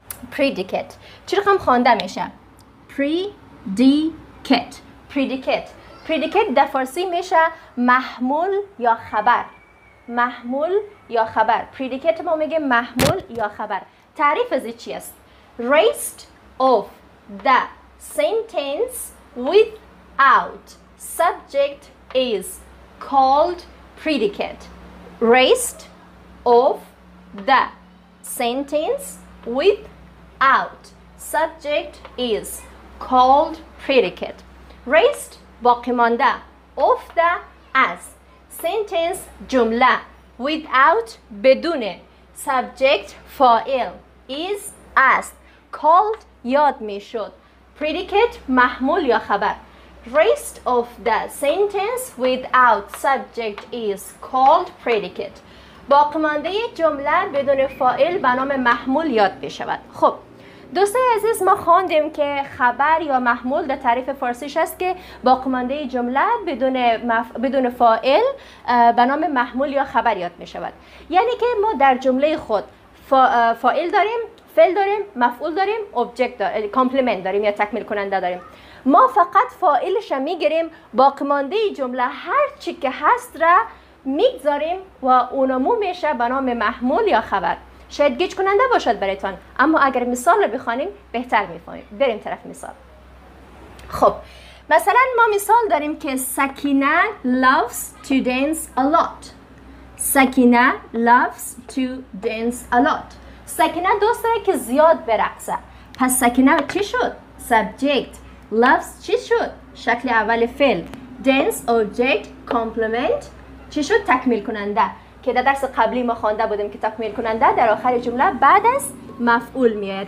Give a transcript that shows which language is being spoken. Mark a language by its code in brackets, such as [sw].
[fa] پریدیکیت چی رقم خوانده میشه؟ پریدیکیت. پریدیکیت در فارسی میشه محمول یا خبر. محمول یا خبر. پریدیکت ما میگه محمول یا خبر. تعریف از چی است؟ [en] Rest of the sentence without subject is called predicate. Rest of the sentence without subject is called predicate. [fa] Rest باقی مانده. [en] Of the as sentence جمله. [fa] Without بدون subject فاعل [en] is as called [fa] یاد می شود. Predicate محمول یا خبر. [en] Rest of the sentence without subject is called predicate. [fa] باقی مانده جمله بدون فاعل به نام محمول یاد می شود. خب دوستای عزیز، ما خواندیم که خبر یا محمول در تعریف فارسیش است که باقی مانده جمله بدون فاعل به نام محمول یا خبر یاد می شود. یعنی که ما در جمله خود فاعل داریم، فعل داریم، مفعول داریم، ابجکت داریم، کامپلیمنت داریم یا تکمیل کننده داریم. ما فقط فاعلش را میگیریم، باقی مانده جمله هر چی که هست را میگذاریم و اونمو میشه به نام محمول یا خبر. شاید گیج کننده باشد برایتان، اما اگر مثال را بخوانیم بهتر میفهمیم. بریم طرف مثال. خب مثلا ما مثال داریم که سکینه [en] loves to dance a lot. Sakineh loves to dance a lot. [fa] سکینه دوست داره که زیاد برقصه. پس سکینه چی شد؟ سبجکت. لفظ چی شد؟ شکل اول فعل. دنس اوبجکت کامپلیمنت چی شد؟ تکمیل کننده، که در درس قبلی ما خوانده بودیم که تکمیل کننده در آخر جمله بعد از مفعول میاد.